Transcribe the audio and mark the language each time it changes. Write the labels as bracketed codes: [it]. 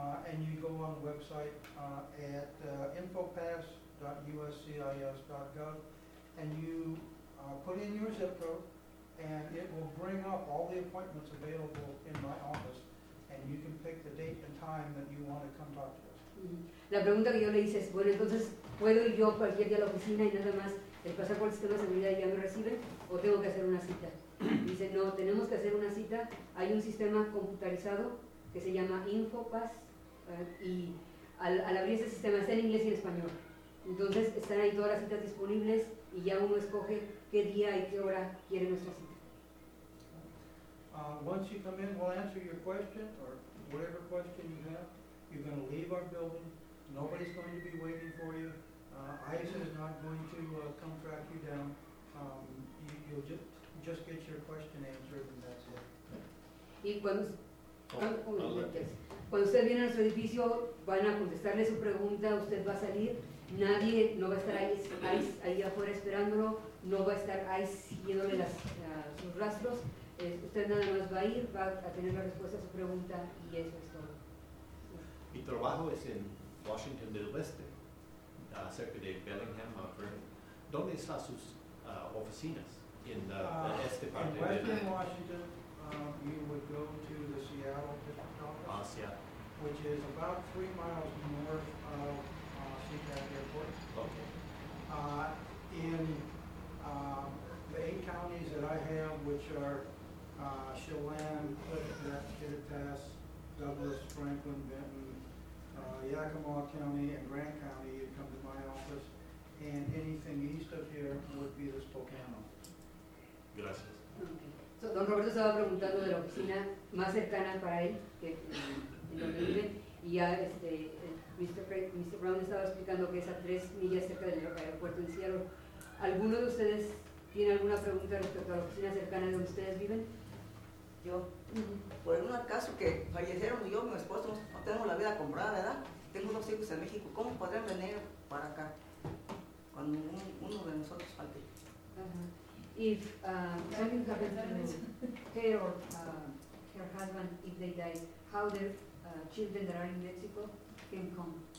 [en] And you go on the website at infopass.uscis.gov and you put in your zip code and it will bring up all the appointments available in my office and you can pick the date and time that you want to come talk to us. [es] La pregunta que yo le hice es, bueno, entonces, ¿puedo ir yo cualquier día a la oficina y nada más el pasar por el sistema de seguridad ya me recibe o tengo que hacer una cita? Dice, no, tenemos que hacer una cita. Hay un sistema computarizado que se llama InfoPass, y al abrir ese sistema está en inglés y en español. Entonces están ahí todas las citas disponibles y ya uno escoge qué día y qué hora quiere nuestra cita. [en] Once you come in, we'll answer your question or whatever question you have. You're going to leave our building. Nobody's going to be waiting for you. ICE is not going to come track you down. You'll just get your question answered and that's it. [es] Cuando usted viene a nuestro edificio, van a contestarle su pregunta, usted va a salir, nadie, no va a estar ahí afuera esperándolo, no va a estar ahí siguiéndole sus rastros, usted nada más va a ir, va a tener la respuesta a su pregunta y eso es todo. Mi trabajo es en Washington del Este, cerca de Bellingham, ¿dónde están sus oficinas en este parte? En Western Washington. [en] You would go to the Seattle District Office, which is about 3 miles north of SeaTac Airport. Okay. The eight counties that I have, which are Chelan, Clifton, Kittitas, Douglas, Franklin, Benton, Yakima County, and Grant County, you'd come to my office. And anything east of here would be the Spokane office. [es] Gracias. So, don Roberto estaba preguntando de la oficina más cercana para él, que en donde vive, y ya Mr. Brown estaba explicando que es a 3 millas cerca del aeropuerto de Seattle. ¿Alguno de ustedes tiene alguna pregunta respecto a la oficina cercana donde ustedes viven? Yo, por un acaso que fallecieron yo y mi esposo, no tenemos la vida comprada, ¿verdad? Tengo 2 hijos en México, ¿cómo podrían venir para acá cuando uno de nosotros falte? [en] If something happens to her or her husband, if they die, how their children that are in Mexico can come?